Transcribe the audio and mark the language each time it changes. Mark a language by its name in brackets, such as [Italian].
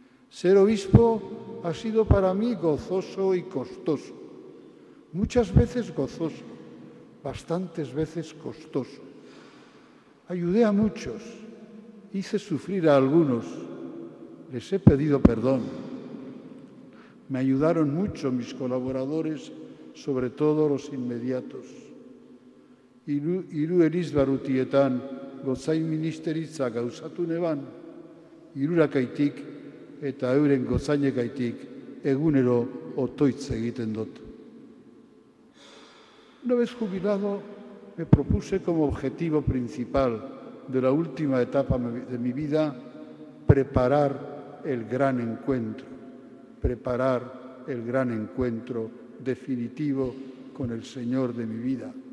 [Spanish] Ser obispo ha sido para mí gozoso y costoso, muchas veces gozoso, bastantes veces costoso. Ayudé a muchos, hice sufrir a algunos, les he pedido perdón. Me ayudaron mucho mis colaboradores, sobre todo los inmediatos. [Basque] Hiru elizbarutietan gozain ministeritza gauzatu neban, hirurakaitik eta euren gozainekaitik egunero otoitz egiten dut. [Spanish] Una vez jubilado, me propuse como objetivo principal de la última etapa de mi vida preparar el gran encuentro, preparar el gran encuentro definitivo con el Señor de mi vida.